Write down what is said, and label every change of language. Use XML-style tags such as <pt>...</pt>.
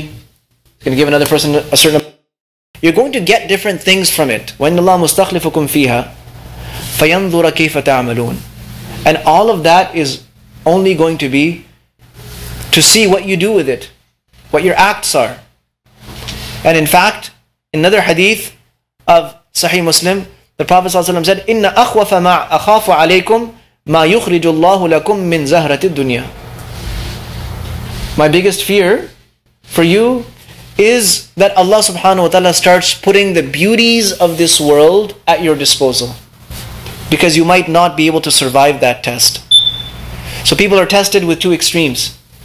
<en>He's going to give another person a certain amount. You're going to get different things from it.</en> <ar>وَإِنَّ اللَّهَ مُسْتَخْلِفُكُمْ فِيهَا فَيَنْظُرَ كَيْفَ تَعْمَلُونَ.</ar> <en>And all of that is only going to be to see what you do with it, what your acts are.</en> <ar>And in fact, another hadith of Sahih Muslim, the Prophet ﷺ said, إِنَّ أَخْوَفَ مَا أَخَافُ عَلَيْكُمْ مَا يُخْرِجُ اللَّهُ لَكُمْ مِنْ زَهْرَةِ الدُّنْيَا.</ar> <en>My biggest fear for you is that Allah subhanahu wa ta'ala starts putting the beauties of this world at your disposal. Because you might not be able to survive that test. So people are tested with two extremes.</en>